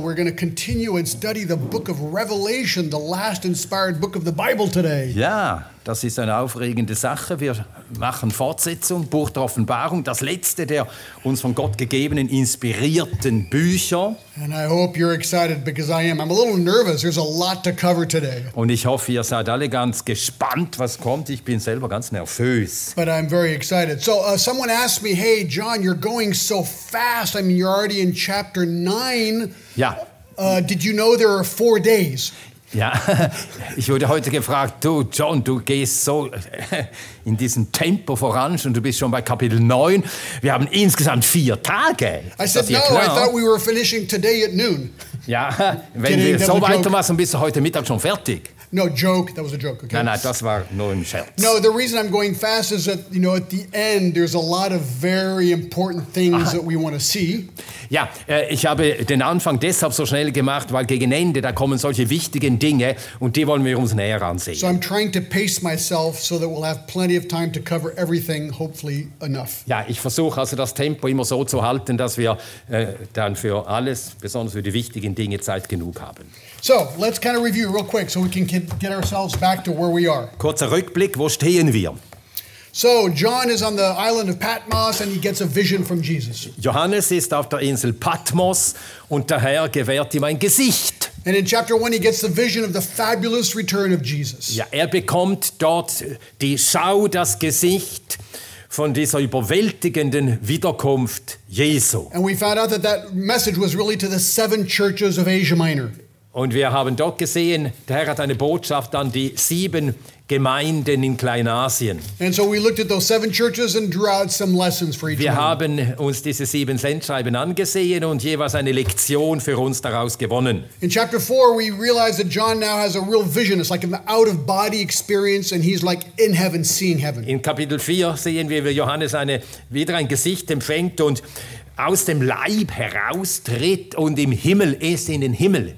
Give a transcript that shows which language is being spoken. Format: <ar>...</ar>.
<en>We're going to continue and study the book of Revelation, the last inspired book of the Bible today.</en> <de>Ja, das ist eine aufregende Sache. Wir machen Fortsetzung, Buch der Offenbarung, das letzte der uns von Gott gegebenen inspirierten Bücher.</de> <en>And I hope you're excited because I am. I'm a little nervous. There's a lot to cover today.</en> <de>Und ich hoffe, ihr seid alle ganz gespannt, was kommt. Ich bin selber ganz nervös.</de> <en>But I'm very excited. So someone asked me, "Hey, John, you're going so fast. I mean, you're already in chapter 9.</en> <de>Ja.</de> <en>Did you know there are 4 days?</en> <de>Ja. Ich wurde heute gefragt, du John, du gehst so in diesem Tempo voran und du bist schon bei Kapitel 9. Wir haben insgesamt 4 Tage.</de> <en>I thought we were finishing today at noon.</en> <de>Ja, wenn wir so weitermachen, bist du heute Mittag schon fertig.</de> <en>No joke, that was a joke. Okay.</en> <de>Nein, das war nur ein Scherz.</de> <en>No, the reason I'm going fast is that, you know, at the end there's a lot of very important things that we want to see.</en> <de>Ja, ich habe den Anfang deshalb so schnell gemacht, weil gegen Ende da kommen solche wichtigen Dinge und die wollen wir uns näher ansehen.</de> <en>So I'm trying to pace myself so that we'll have plenty of time to cover everything, hopefully enough.</en> <de>Ja, ich versuche also das Tempo immer so zu halten, dass wir dann für alles, besonders für die wichtigen Dinge, Zeit genug haben.</de> <en>So, let's kind of review real quick so we can get ourselves back to where we are.</en> <de>Kurzer Rückblick, wo stehen wir?</de> <en>So John is on the island of Patmos and he gets a vision from Jesus.</en> <de>Johannes ist auf der Insel Patmos und der Herr gewährt ihm ein Gesicht.</de> <en>And in chapter 1 he gets the vision of the fabulous return of Jesus.</en> <de>Ja, bekommt dort die Schau, das Gesicht von dieser überwältigenden Wiederkunft Jesu.</de> <en>And we found out that message was really to the 7 churches of Asia Minor.</en> <de>Und wir haben dort gesehen, der Herr hat eine Botschaft an die 7 Gemeinden in Kleinasien.</de> <en>And so we looked at those 7 churches and drew out some lessons for each</en> <de>Wir haben uns diese 7 Sendschreiben angesehen und jeweils eine Lektion für uns daraus gewonnen.</de> <en>In chapter 4 we realize that John now has a real vision. It's like an out of body experience and he's like in heaven seeing heaven.</en> <de>In Kapitel 4 sehen wir, wie Johannes wieder ein Gesicht empfängt und aus dem Leib heraustritt und im Himmel ist, in den Himmel</de>